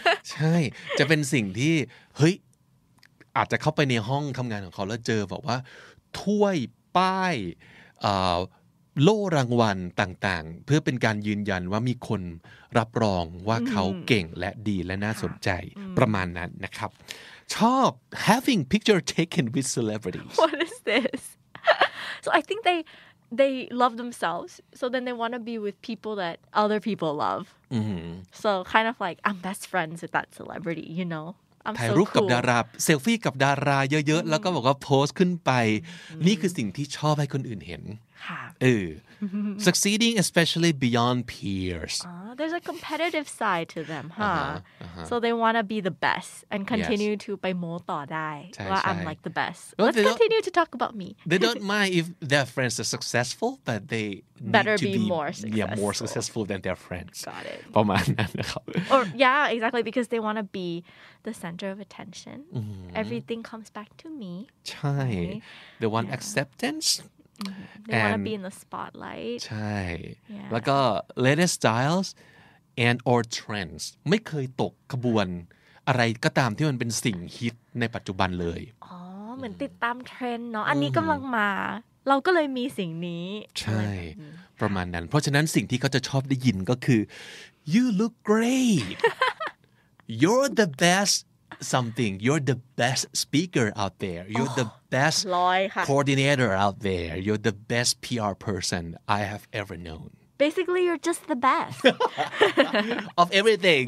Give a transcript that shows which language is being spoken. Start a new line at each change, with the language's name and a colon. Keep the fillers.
Thai: ใช่ จะเป็นสิ่งที่เฮ้ยอาจจะเข้าไปในห้องทำงานของเขาแล้วเจอบอกว่าถ้วยป้ายโล่รางวัลต่างๆ เพื่อเป็นการยืนยันว่ามีคนรับรองว่าเขาเก่งและดีและน่าสนใจประมาณนั้นนะครับชอบ
English: having picture taken with celebrities what is this so I think they they love themselves so then they want to be with people that other people love mm-hmm. so kind of like I'm best friends with that celebrity you know
Thai: ถ่ายรูปกับดาร าเซลฟี่กับดารา เยอะ ๆ แล้วก็บอกว่าโพสต์ขึ้นไป นี่คือสิ่งที่ชอบให้คนอื่นเห็น
English: Succeeding especially beyond peers. Uh, there's a competitive side to them, huh? Uh-huh, uh-huh. So they want to be the best and continue yes. to be more thought I. I'm like the best. Well, Let's continue to talk about me. they don't mind if their friends are successful, but they better be, be, more successful. Yeah, more successful than their friends. Got it. or, yeah, exactly, because they want to be the center of attention. Mm-hmm. Everything comes back to me. Chai. Okay. They yeah. acceptance. Mm-hmm. They want to be in the spotlight.
Thai: ใช่
English: yeah.
Thai: แล้ วก็
English: latest styles and or trends
Thai: ไม่เคยตกขบวนอะไรก็ตามที่มันเป็นสิ่งฮิตในปัจจุบันเลย อ๋อเหมือนติดตามเทรนเนาะอันนี้กำลังมาเราก็เลยมีสิ่งนี้ ใ ช่ ประมาณนั้น เพราะฉะนั้นสิ่งที่เขาจะชอบได้ยินก็คือ
English: you look great you're the best something. You're the best speaker out there. You're oh, the best right. coordinator out there. You're the best PR person I have ever known. Basically, you're just the best of everything.